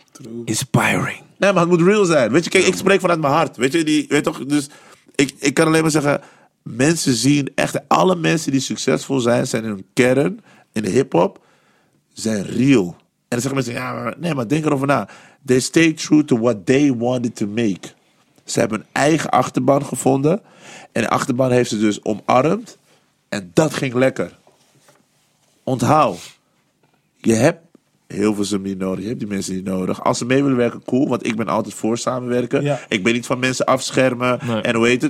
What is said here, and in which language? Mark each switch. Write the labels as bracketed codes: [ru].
[en] True. Inspiring. [nl] Nee, maar het moet real zijn. Weet je, kijk, ik spreek vanuit mijn hart. Weet je, dus ik kan alleen maar zeggen, mensen zien echt, alle mensen die succesvol zijn, zijn in hun kern, in de hip-hop, zijn real. En dan zeggen mensen, ja, nee, maar denk erover na. [en] They stay true to what they wanted to make. [nl] Ze hebben een eigen achterban gevonden. En de achterban heeft ze dus omarmd. En dat ging lekker. Onthoud. Je hebt heel veel zin niet nodig. Je hebt die mensen niet nodig. Als ze mee willen werken, cool. Want ik ben altijd voor samenwerken. Ja. Ik ben niet van mensen afschermen. Nee. En hoe heet het?